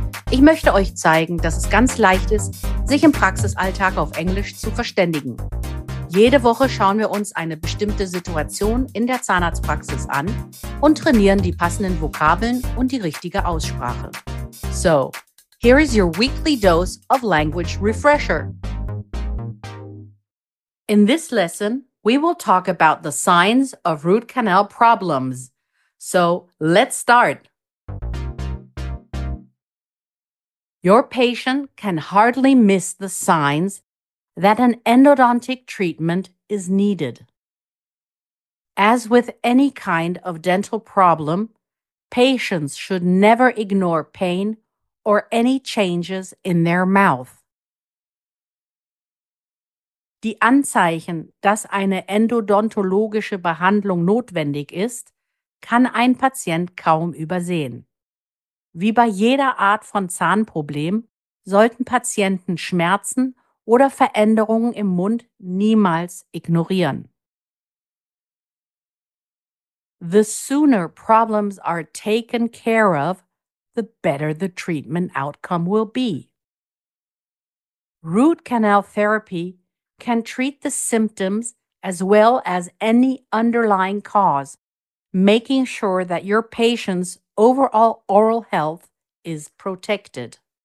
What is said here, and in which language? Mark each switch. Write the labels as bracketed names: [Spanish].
[German] Ich möchte euch zeigen, dass es ganz leicht ist, sich im Praxisalltag auf Englisch zu verständigen. Jede Woche schauen wir uns eine bestimmte Situation in der Zahnarztpraxis an und trainieren die passenden Vokabeln und die richtige Aussprache. [English] So, here is your weekly dose of language refresher. In this lesson, we will talk about the signs of root canal problems. So, let's start. Your patient can hardly miss the signs that an endodontic treatment is needed. As with any kind of dental problem, patients should never ignore pain or any changes in their mouth. [German] Die Anzeichen, dass eine endodontologische Behandlung notwendig ist, kann ein Patient kaum übersehen. Wie bei jeder Art von Zahnproblem sollten Patienten Schmerzen oder Veränderungen im Mund niemals ignorieren. [English] The sooner problems are taken care of, the better the treatment outcome will be. Root canal therapy can treat the symptoms as well as any underlying cause, making sure that your patient's overall oral health is protected.